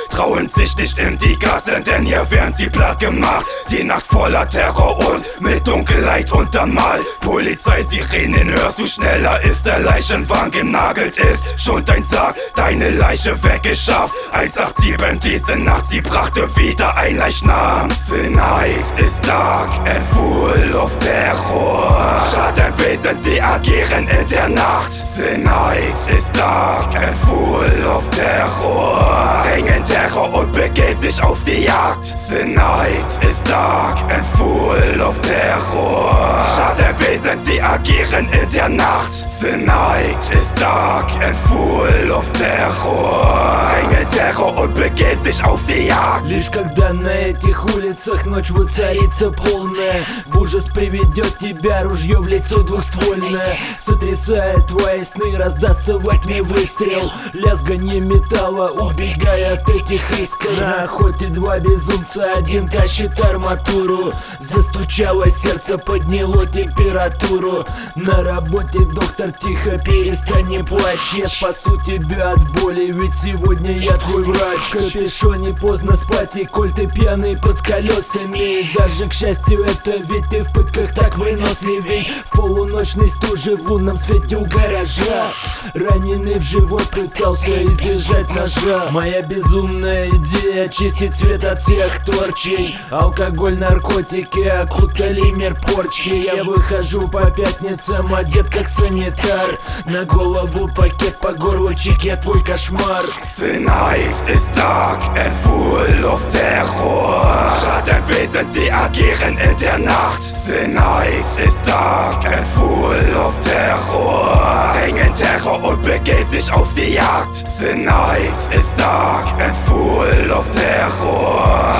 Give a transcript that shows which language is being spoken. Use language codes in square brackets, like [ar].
[de] Trauen sich nicht in die Gassen, denn hier werden sie platt gemacht. Die Nacht voller Terror und mit Dunkelheit untermalt. Polizeisirenen hörst du, schneller ist der Leichenwagen. Genagelt ist schon dein Sarg, deine Leiche weggeschafft. 187 diese Nacht, sie brachte wieder ein Leichnam. [en] The night is dark and full of terror. [de] Schattenwesen, sie agieren in der Nacht. [en] The night is dark and full of terror. [de] Bringen Terror und begeben sich auf die Jagd. [en] The night is dark and full of terror. [de] Schattenwesen, sie agieren in der Nacht. [en] The night is dark and full of terror. [de] Bringen Terror und begeben sich auf die Jagd. [ru] Лишь когда на этих улицах ночь воцарится полная, в ужас приведет тебя ружье в лицо двухствольное. Сотрясая твои сны, раздастся во тьме выстрел, лязганье металла, убегая от этих искр. На охоте два безумца, один тащит арматуру. Застучало сердце, подняло температуру. На работе доктор тихо, перестань, не плачь. Я спасу тебя от боли, ведь сегодня я твой врач. В капюшоне поздно спать, и коль ты пьяный под колесами, даже к счастью это ведь ты в пытках так выносливей. В полуночной стуже в лунном свете у гаража, раненый в живот, пытался избежать ножа. Моя безумная идея — очистить свет от всех торчей. Алкоголь, наркотики окутали мир порчи. Я выхожу по пятницам одет как санитар, на голову пакет, по горлу чек, я твой кошмар. [en] The night is dark and full of terror. [de] Schattenwesen, sie agieren in der Nacht. [en] The night is dark and full of terror. [de] Bringen Terror und begeben sich auf die Jagd. [en] The night is dark and full of terror.